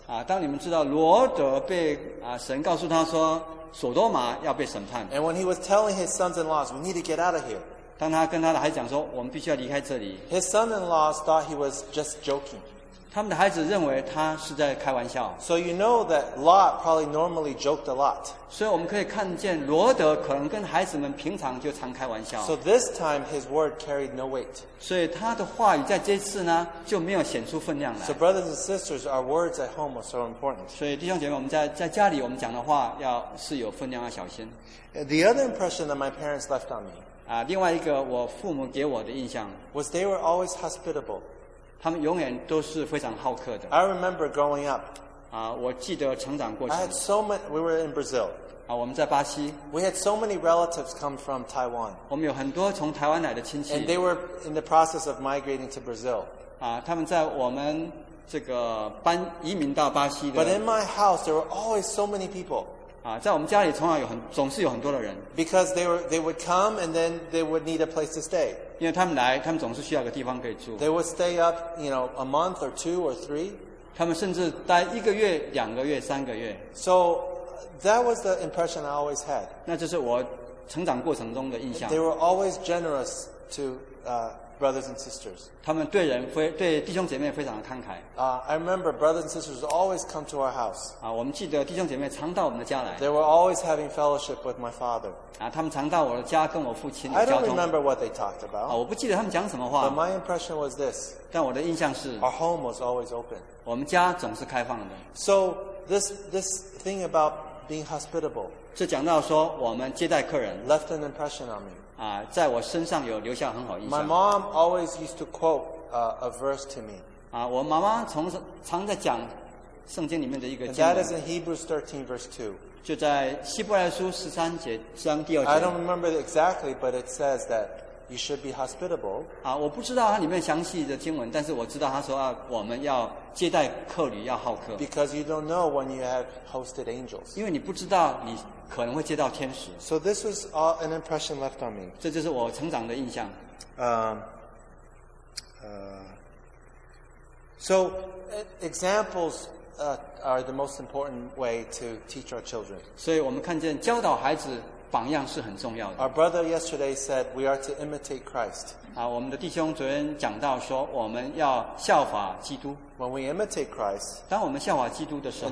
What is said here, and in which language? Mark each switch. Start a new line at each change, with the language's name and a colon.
Chinese: 当你们知道罗德被神告诉他说索多玛要被审判。
English: And when he was telling his sons-in-laws, "We need to get out of here."
Chinese: 当他跟他的孩子讲说，我们必须要离开这里。
English: His sons-in-laws thought he was just joking.
Chinese: 他们的孩子认为他是在开玩笑。
English: So you know that Lot probably normally joked a lot.
Chinese: 所以我们可以看见罗德可能跟孩子们平常就常开玩笑。
English: So this time his word carried no weight.
Chinese: 所以他的话语在这次呢就没有显出分量来。
English: So brothers and sisters, our words at home are so important.
Chinese: 所以弟兄姐妹，我们在家里我们讲的话要是有分量，要小心。
English: The other impression that my parents left on me.
Chinese: 另外一个我父母给我的印象
English: was they were always hospitable.
Chinese: 他们永远都是非常好客的。
English: I remember growing up.
Chinese: 我记得成长过程。
English: I had so many. We were in Brazil.
Chinese: 我们在巴西。
English: We had so many relatives come from Taiwan.
Chinese: 我们有很多从台湾来的亲戚。
English: And they were in the process of migrating to Brazil.
Chinese: 他们在我们这个移民到巴西的。
English: But in my house, there were always so many people.
Chinese: 在我们家里从来有总是有很多的人。
English: Because they would come and then they would need a place to stay.
Chinese: 因为他们来，他们总是需要个地方可以住。
English: They would stay up, you know, a month or two or three.
Chinese: 他们甚至待一个月、两个月、三个月。
English: So that was the impression I always had.
Chinese: 那就是我成长过程中的印象。
English: They were always generous to brothers and sisters.
Chinese: 他们对人对弟兄姐妹非常的慷慨。
English: I remember brothers and sisters always come to our house.
Chinese: 我们记得弟兄姐妹常到我们的家来。
English: They were always having fellowship with my father.
Chinese: 他们常到我的家跟我父亲交通。
English: I don't remember what they talked about.
Chinese: 我不记得他们讲什么话。
English: But my impression was this.
Chinese: 但我的印象是。
English: Our home was always open.
Chinese: 我们家总是开放的。
English: So this thing about being hospitable.
Chinese: 这讲到说我们接待客人。
English: Left an impression on me.
Chinese: 在我身上有留下很好印象。
English: My mom always used to quote a verse to me.
Chinese: 我妈妈常在讲圣经里面的一个经文。
English: And that is in Hebrews 13 verse 2.
Chinese: 就在希伯来书十三节章第二节。
English: I don't remember exactly, but it says that you should be hospitable.
Chinese: 我不知道它里面详细的经文，但是我知道他说我们要接待客旅，要好客。
English: Because you don't know when you have hosted angels.
Chinese: 因为你不知道你。可能会接到天使。
English: So this was an impression left on me.
Chinese: 这就是我成长的印象。
English: So examples are the most important way to teach our children.
Chinese: 所以我们看见教导孩子榜样是很重要的。
English: Our brother yesterday said we are to imitate Christ.
Chinese: 我们的弟兄昨天讲到说我们要效法基督。
English: When we imitate Christ,
Chinese: 当我们效法基督的时候